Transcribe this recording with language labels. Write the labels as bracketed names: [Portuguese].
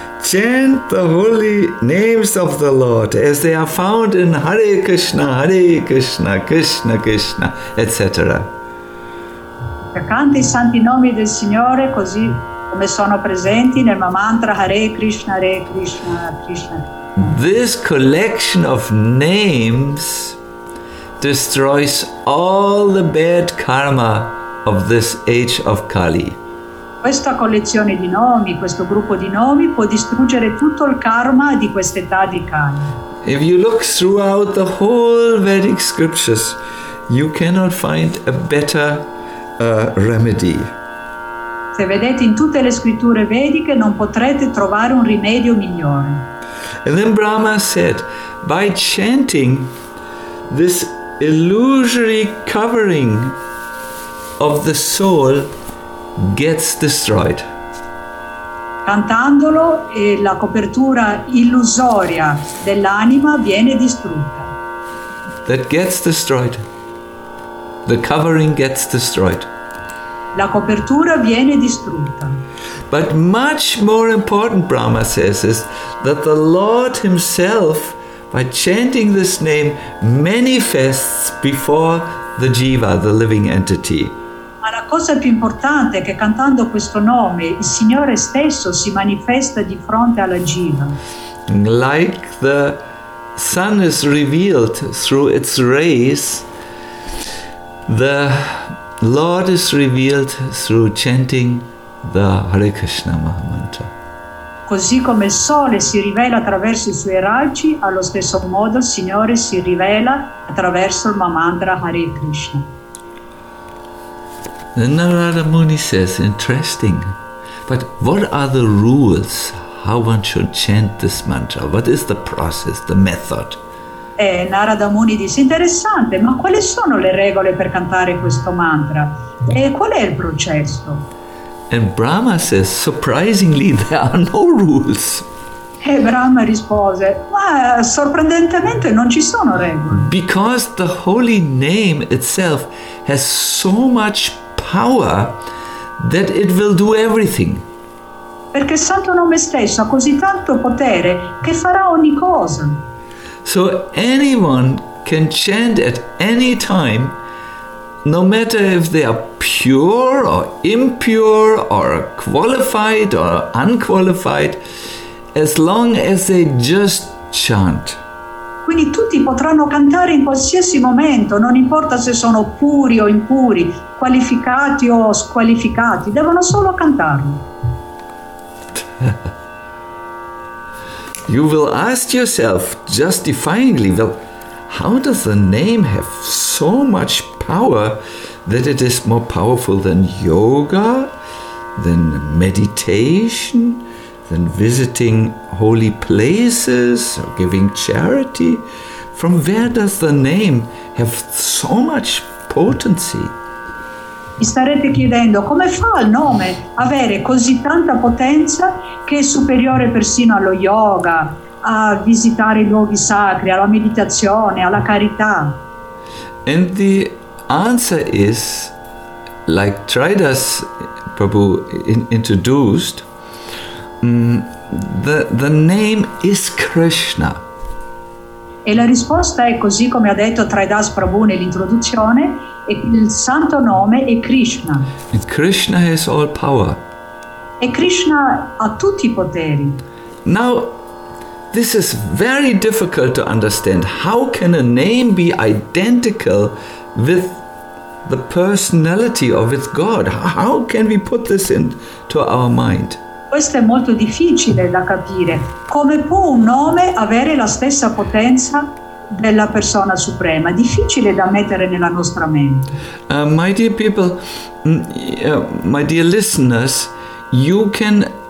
[English] Chant the holy names of the Lord as they are found in Hare Krishna, Hare Krishna, Krishna Krishna, etc. [Italian] Canta i santi nomi del Signore così come sono presenti nel mantra Hare Krishna, Hare Krishna, Krishna. [English] This collection of names destroys all the bad karma of this age of Kali. [Italian] Questa collezione di nomi, questo gruppo di nomi può distruggere tutto il karma di questa età di Kali. [English] If you look throughout the whole Vedic scriptures, you cannot find a better remedy. [Italian] Se vedete in tutte le scritture vediche non potrete trovare un rimedio migliore. [English] And then Brahma said, by chanting this illusory covering of the soul gets destroyed. [Italian] Cantandolo e la copertura illusoria dell'anima viene distrutta. [English] That gets destroyed. The covering gets destroyed. [Italian] La copertura viene distrutta. [English] But much more important, Brahma says, is that the Lord himself, by chanting this name, manifests before the Jiva, the living entity. [Italian] Ma la cosa più importante è che cantando questo nome, il Signore stesso si manifesta di fronte alla Jiva. [English] Like the sun is revealed through its rays, the Lord is revealed through chanting the Hare Krishna Mahamantra. [Italian] Così come il sole si rivela attraverso i suoi raggi, allo stesso modo il Signore si rivela attraverso il Mahamantra Hare Krishna. [English] Then Narada Muni says, interesting, but what are the rules how one should chant this mantra? What is the process, the method? [Italian] Narada Muni dice, interessante, ma quali sono le regole per cantare questo mantra? E qual è il processo? [English] And Brahma says, surprisingly, there are no rules. [Italian] E Brahma rispose, ma sorprendentemente non ci sono regole. [English] Because the holy name itself has so much power that it will do everything. [Italian] Perché il santo nome stesso ha così tanto potere che farà ogni cosa. [English] So anyone can chant at any time, no matter if they are pure or impure or qualified or unqualified, as long as they just chant. [Italian] Quindi tutti potranno cantare in qualsiasi momento, non importa se sono puri o impuri, qualificati o squalificati, devono solo cantarlo. [English] You will ask yourself justifyingly, well, how does the name have so much power that it is more powerful than yoga, than meditation, than visiting holy places or giving charity? From where does the name have so much potency? [Italian] Mi starete chiedendo, come fa il nome avere così tanta potenza che è superiore persino allo yoga, a visitare i luoghi sacri, alla meditazione, alla carità? [English] And the answer is, like Tridas Prabhu introduced, the name is Krishna. [Italian] E la risposta è così come ha detto Tridas Prabhu nell'introduzione, il santo nome è Krishna. [English] And Krishna has all power. [Italian] E Krishna ha tutti i poteri. [English] Now, this is very difficult to understand. How can a name be identical with the personality or with God? How can we put this into our mind? [Italian] Questo è molto difficile da capire. Come può un nome avere la stessa potenza della persona suprema? Difficile da mettere nella nostra mente. [English] My dear people, my dear listeners, you can